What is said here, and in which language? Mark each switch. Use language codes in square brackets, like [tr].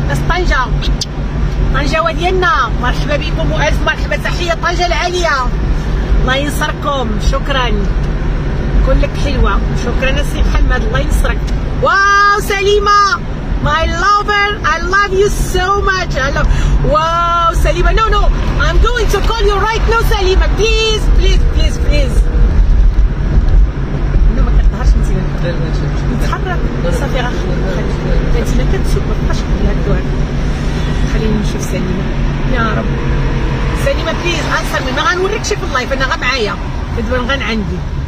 [ar] طنجة طنجة ديالنا مرحبا بكم والف مرحبا تحية طنجة العالية الله ينصركم. شكرا كلك حلوة شكرا السي محمد الله ينصرك. [en] Wow سليمة My lover, I love you so much. Hello. Wow, Salima. No, no. I'm going to call you right now, Salima. Please, please, please, please. [ar] No, ما كتهرش انت. لا لا تحرك صافي غنخليك. انت ما كتسوق ما تبقاش في هاد الدوار. خليني نشوف سليمة. يا رب. سليمة بليز انصرني ما غنوريكش في اللايف انا غا معايا. دابا غن عندي.